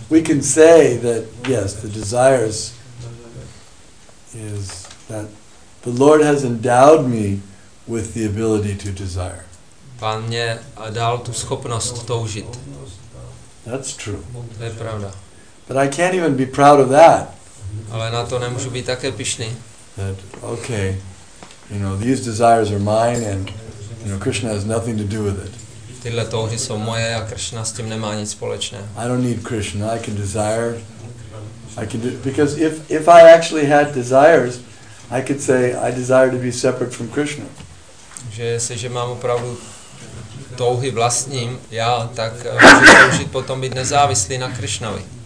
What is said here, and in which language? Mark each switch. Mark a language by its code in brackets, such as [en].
[en] We can say that, yes, the desires is that the Lord has endowed me with the ability to desire. [cs] Pán mě dal tu schopnost toužit. [en] That's true. [cs] To je pravda. [en] But I can't even be proud of that. [cs] Ale na to nemůžu být také pyšný. [en] That, okay, you know, these desires are mine and, you know, Krishna has nothing to do with it. [cs] Tyhle touhy jsou moje a Krishna s tím nemá nic společného. [en] I don't need Krishna, I can desire. Because if I actually had desires, I could say I desire to be separate from Krishna. [cs] Že jestliže mám opravdu touhy vlastním, já, tak můžu toužit potom být nezávislý na Krishnovi.